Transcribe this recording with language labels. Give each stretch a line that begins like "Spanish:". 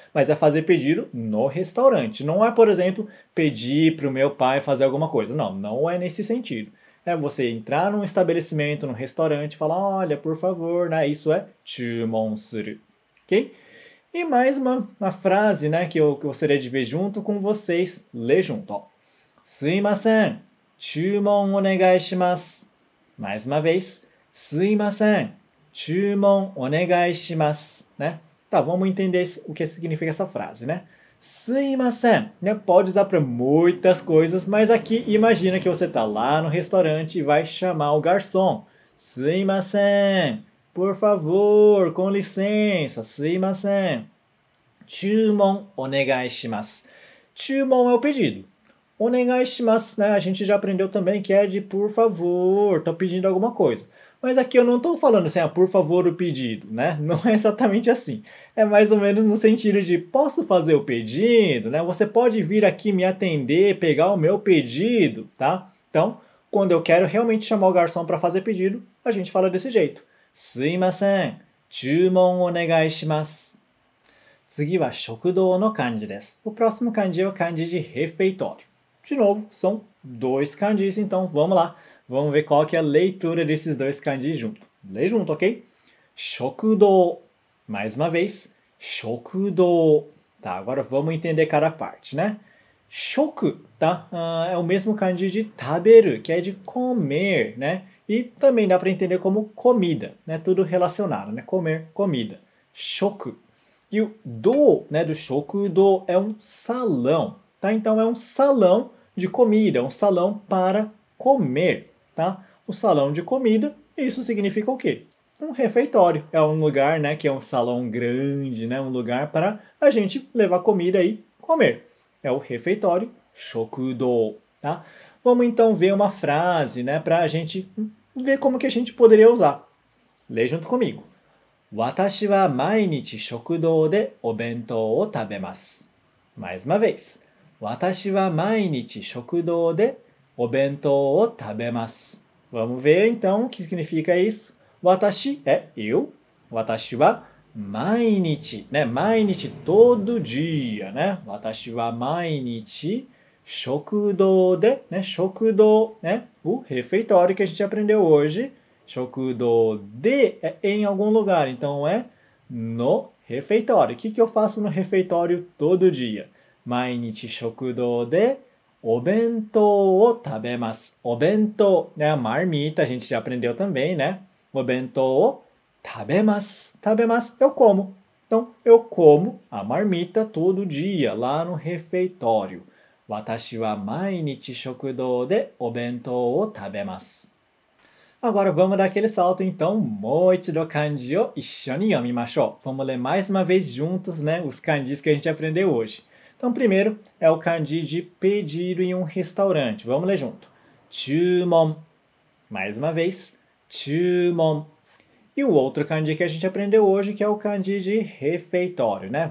Portuguese: Mas é fazer pedido no restaurante. Não é, por exemplo, pedir para o meu pai fazer alguma coisa. Não, não é nesse sentido. É você entrar num estabelecimento, num restaurante, falar, olha, por favor, né? Isso é 注文する, ok? E mais uma frase, né, que eu gostaria de ver junto com vocês, ler junto, ó.
Japanese: すいません, 注文 お願いします.
Portuguese: Mais uma vez.
Japanese: すいません, 注文 お願いします, né?
Portuguese: Tá, vamos entender o que significa essa frase, né? すいません, né? Pode usar para muitas coisas, mas aqui imagina que você está lá no restaurante e vai chamar o garçom. すいません, por favor, com licença,
Japanese: すいません, 注文 お願いします.
Portuguese: 注文 é o pedido. お願いします, né? A gente já aprendeu também que é de por favor, estou pedindo alguma coisa. Mas aqui eu não estou falando assim, ah, por favor o pedido, né? Não é exatamente assim. É mais ou menos no sentido de posso fazer o pedido, né? Você pode vir aqui me atender, pegar o meu pedido, tá? Então, quando eu quero realmente chamar o garçom para fazer pedido, a gente fala desse jeito.
Japanese: すいません, 注文お願いします。次は食堂の漢字です。
Portuguese: O próximo 漢字é o 漢字de refeitório. De novo, são dois kanjis, então vamos lá. Vamos ver qual que é a leitura desses dois kanjis junto. Lê junto, ok? Shokudou. Mais uma vez. Shokudou. Tá, agora vamos entender cada parte, né? Shoku, tá? É o mesmo kanji de taberu, que é de comer, né? E também dá para entender como comida, né? Tudo relacionado, né? Comer, comida. Shoku. E o do, né? Do shokudou é um salão. Tá? Então, é um salão de comida, um salão para comer, tá? O salão de comida, isso significa o quê? Um refeitório. É um lugar, né, que é um salão grande, né, um lugar para a gente levar comida e comer. É o refeitório, shokudou, tá? Vamos, então, ver uma frase, né, para a gente ver como que a gente poderia usar. Lê junto comigo.
Japanese: 私は毎日食堂でお弁当を食べます。
Portuguese: Mais uma vez.
Japanese: 私は毎日食堂でお弁当を食べます。
Portuguese: Vamos ver então o que significa isso. 私 é eu.
Japanese: 私は毎日、ね、毎日、
Portuguese: todo dia, né?
Japanese: 私は毎日、食堂で、ね、食堂、ね、
Portuguese: o refeitório que a gente aprendeu hoje,
Japanese: 食堂で、
Portuguese: é em algum lugar, então é no refeitório. O que, que eu faço no refeitório todo dia?
Japanese: 毎日、食堂で、お弁当を食べます。お弁当、ね、
Portuguese: a marmita, a gente já aprendeu também, né?
Japanese: お弁当を食べます。
Portuguese: Eu como. Então, eu como a marmita todo dia lá no refeitório.
Japanese: 私は毎日食堂でお弁当を食べます。
Portuguese: Agora vamos dar aquele salto, então.
Japanese: もう一度漢字を一緒に読みましょう。
Portuguese: Vamos ler mais uma vez juntos, né, os kanjis que a gente aprendeu hoje. Então, primeiro é o kanji de pedir em um restaurante. Vamos ler junto. 注文.Mais uma vez. 注文. E o outro kanji que a gente aprendeu hoje, que é o kanji de refeitório, né?